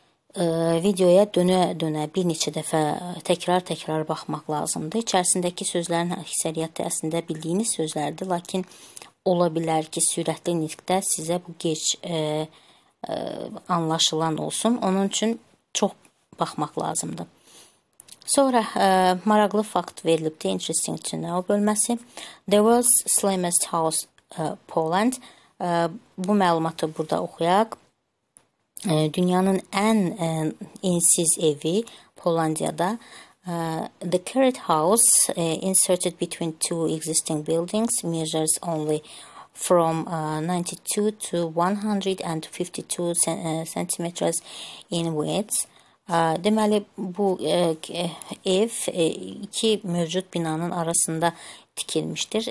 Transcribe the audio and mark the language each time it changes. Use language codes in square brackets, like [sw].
[az] videoya dönə-dönə bir neçə dəfə təkrar-təkrar baxmaq lazımdır. İçərisindəki sözlərin əksəriyyəti əslində bildiyiniz sözlərdir, lakin ola bilər ki, sürətli nitqdə sizə bu geç anlaşılan olsun. Onun üçün çox baxmaq lazımdır. Sonra maraqlı fakt verilibdir, [en] interesting to know [az] bölməsi. [en] The world's slimmest house, Poland. [az] Bu məlumatı burada oxuyaq. Dünyanın ən ensiz evi Hollandiya'da. [en] The current house, inserted between two existing buildings, measures only from 92 to 152 cm in width. [az] Demeli bu ev iki mövcud binanın arasında tikilmiştir.